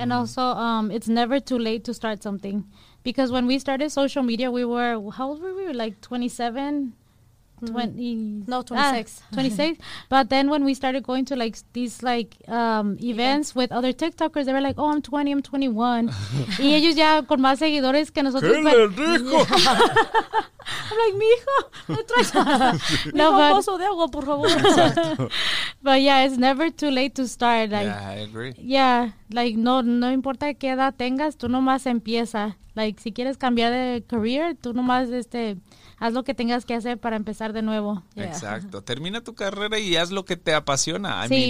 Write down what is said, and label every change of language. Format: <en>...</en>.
<en>And also, it's never too late to start something. Because when we started social media, we were, how old were we? Like, 27? 26. But then when we started going to, like, these, like, events with other TikTokers, they were like, oh, I'm 20, I'm 21.</en> <es>Y ellos ya con más seguidores que nosotros. ¿Qué le dijo?</es> <en>I'm like, mijo,</en> <es>no, un vaso de agua, por favor.</es> <en>But yeah, it's never too late to start. Like, yeah, I agree.</en> <es>Yeah, like, no importa qué edad tengas, tú nomás empieza. Like, si quieres cambiar de career, tú nomás, haz lo que tengas que hacer para empezar de nuevo. Yeah. Exacto. Termina tu carrera y haz lo que te apasiona.</es>